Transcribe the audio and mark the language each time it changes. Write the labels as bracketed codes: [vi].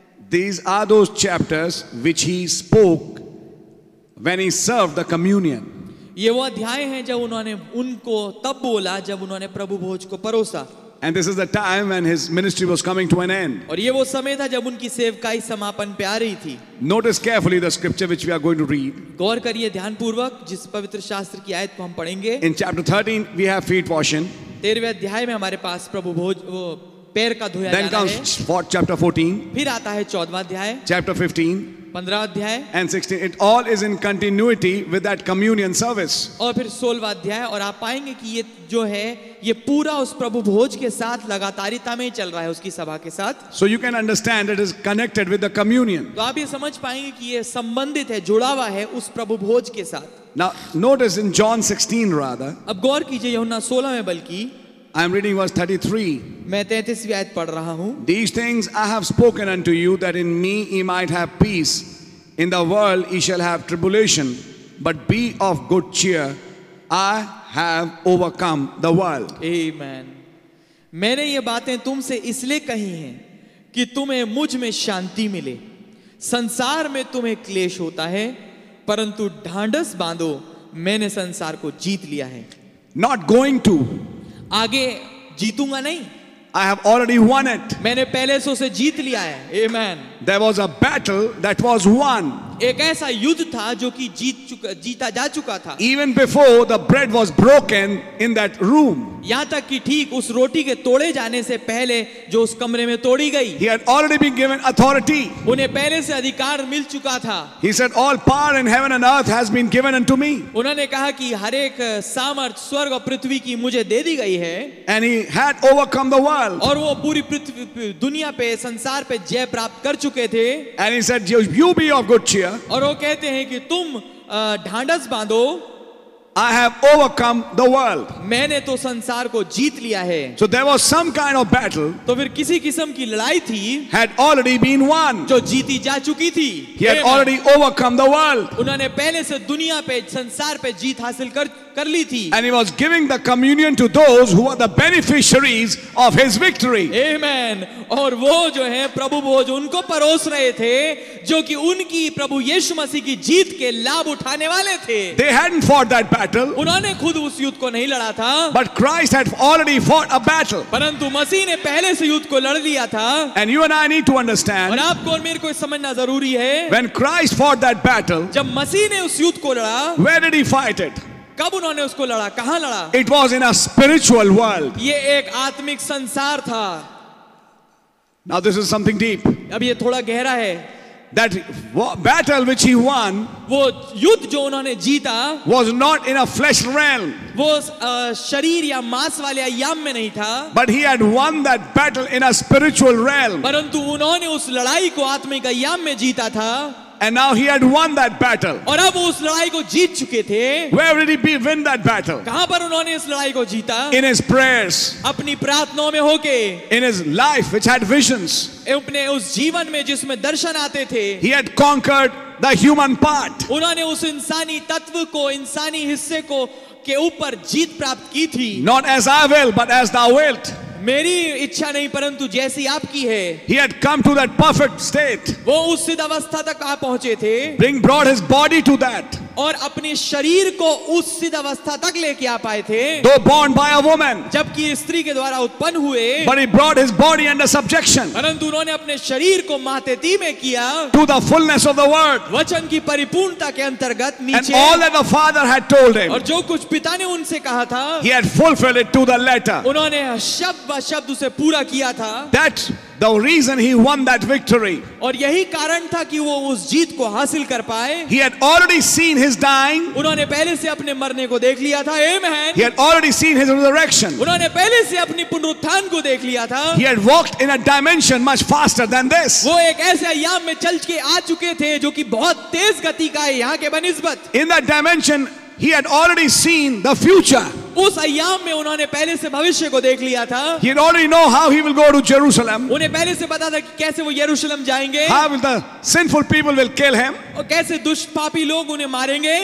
[en] These are those chapters which he spoke when he served the communion. [hi] ये वो अध्याय हैं जब उन्होंने उनको तब बोला जब उन्होंने प्रभु भोज को परोसा. [en] And this is the time when his ministry was coming to an end. [hi] और ये वो समय था जब उनकी सेवकाई समापन पे आ रही थी. [en] Notice carefully the scripture which we are going to read. [hi] गौर करिए ध्यानपूर्वक जिस पवित्र शास्त्र की आयत को हम पढ़ेंगे. [en] In chapter 13 we have feet washing. [hi] 13वें अध्याय में हमारे पास प्रभु भोज वो पैर का धोया जाता है. [en] Then comes chapter 14. [hi] फिर आता है 14वां अध्याय. [en] Chapter 15. [hi] 15वां अध्याय. [en] And 16. It all is in continuity with that communion service. [hi] और फिर 16वां अध्याय, और आप पाएंगे कि ये जो है ये पूरा उस प्रभु भोज के साथ लगातारिता में ही चल रहा है, उसकी सभा के साथ. [en] So you can understand it is connected with the communion. [hi] तो आप ये समझ पाएंगे कि ये संबंधित है, जुड़ा हुआ है उस प्रभु भोज के साथ. [en] Now notice in John 16 rather. [hi] अब गौर कीजिए यूहन्ना 16 में बल्कि. [en] I am reading verse 33. [hi] मैं 33वीं आयत पढ़ रहा हूँ. [en] These things I have spoken unto you that in me ye might have peace. In the world ye shall have tribulation, but be of good cheer. I have overcome the world. Amen. [hi] मैंने ये बातें तुमसे इसलिए कही हैं कि तुम्हें मुझ में शांति मिले. संसार में तुम्हें क्लेश होता है, परंतु ढांढस बांधो, मैंने संसार को जीत लिया है. [en] Not going to. [hi] आगे जीतूंगा नहीं. [en] I have already won it. [hi] मैंने पहले से उसे जीत लिया है. Amen. [en] There was a battle that was won. [hi] एक ऐसा युद्ध था जो कि जीता जा चुका था. [en] Even before the bread was broken in that room. [hi] यहाँ तक कि ठीक उस रोटी के तोड़े जाने से पहले जो उस कमरे में तोड़ी गई. [en] He had already been given authority. [hi] उन्हें पहले से अधिकार मिल चुका था. [en] He said, "All power in heaven and earth has been given unto me." [hi] उन्होंने कहा कि हर एक सामर्थ स्वर्ग और पृथ्वी की मुझे दे दी गई है. [en] And he had overcome the world. [hi] और वो पूरी पृथ्वी दुनिया पे संसार पे जय प्राप्त कर चुके थे. [en] And he said, "You be of good cheer." [hi] और वो कहते हैं कि तुम ढांढस बांधो. [en] I have overcome the world. [hi] मैंने तो संसार को जीत लिया है. [en] So there was some kind of battle. [hi] तो फिर किसी किस्म की लड़ाई थी. [en] Had already been won. [hi] जो जीती जा चुकी थी. [en] He had already overcome the world. [hi] उन्होंने पहले से दुनिया पे संसार पे जीत हासिल कर ली थी. [en] And he was giving the communion to those who were the beneficiaries of his victory. Amen. [hi] और वो जो है प्रभु भोज उनको परोस रहे थे जो कि उनकी प्रभु यीशु मसीह की जीत के लाभ उठाने वाले थे. [en] They hadn't fought that battle. [hi] उन्होंने खुद उस युद्ध को नहीं लड़ा था. [en] But Christ had already fought a battle. [hi] परंतु मसीह ने पहले से युद्ध को लड़ लिया था. [en] And you and I need to understand. [hi] और आपको और मेरे को समझना जरूरी है. [en] When Christ fought that battle. [hi] जब मसीह ने उस युद्ध को लड़ा. [en] Where did he fight it? [hi] कब उन्होंने उसको लड़ा? कहाँ लड़ा? [en] It was in a spiritual world. [hi] ये एक आत्मिक संसार था. [en] Now this is something deep. [hi] अब ये थोड़ा गहरा है. [en] That battle which he won, [hi] वो युद्ध जो उन्होंने जीता, [en] was not in a flesh realm. [hi] वो शरीर या मांस वाले आयाम में नहीं था. [en] But he had won that battle in a spiritual realm. [hi] परंतु उन्होंने उस लड़ाई को आत्मिक आयाम में जीता था. [en] And now he had won that battle. [hi] और अब उस लड़ाई को जीत चुके थे. [en] Where did he win that battle? [hi] कहाँ पर उन्होंने इस लड़ाई को जीता? [en] In his prayers. [hi] अपनी प्रार्थनाओं में होके. [en] In his life, which had visions. [hi] अपने उस जीवन में जिसमें दर्शन आते थे. [en] He had conquered the human part. [hi] उन्होंने उस इंसानी तत्व को, इंसानी हिस्से को के ऊपर जीत प्राप्त की थी. [en] Not as I will, but as thou wilt. [hi] मेरी इच्छा नहीं परंतु जैसी आपकी है. [en] He had come to that perfect state. [hi] वो उस सिद्ध अवस्था तक आ पहुंचे थे. [en] Bring brought his body to that. [hi] और अपने शरीर को उस सिद्ध अवस्था तक लेके आ पाए थे. [en] Though born by a woman. [hi] जबकि स्त्री के द्वारा उत्पन्न हुए. [en] But he brought his body under subjection. [hi] परंतु उन्होंने अपने शरीर को मातेती में किया. [en] To the fullness of the word. [hi] वचन की परिपूर्णता के अंतर्गत नीचे. [en] And all that the father had told him. [hi] और जो कुछ पिता ने उनसे कहा था. [en] He had fulfilled it to the letter. [hi] उन्होंने शब्द उसे पूरा किया था. [en] That the reason he won that victory. [hi] और यही कारण था कि वो उस जीत को हासिल कर पाए. [en] He had already seen his dying. [hi] उन्होंने पहले से अपने मरने को देख लिया था. [en] Amen. He had already seen his resurrection. [hi] उन्होंने पहले से अपनी पुनरुत्थान को देख लिया था. [en] He had walked in a dimension much faster than this. [hi] वो एक ऐसे आयाम में चल के आ चुके थे जो कि बहुत तेज गति का है यहाँ के बनिस्बत. [en] In that dimension, he had already seen the future. [hi] उस आयाम में उन्होंने पहले से भविष्य को देख लिया था. [en] He already know how he will go to Jerusalem. [hi] उन्हें पहले से पता था कि कैसे वो यरूशलम जाएंगे. [en] How will the sinful people will kill him. [hi] और कैसे दुष्ट पापी लोग उन्हें मारेंगे.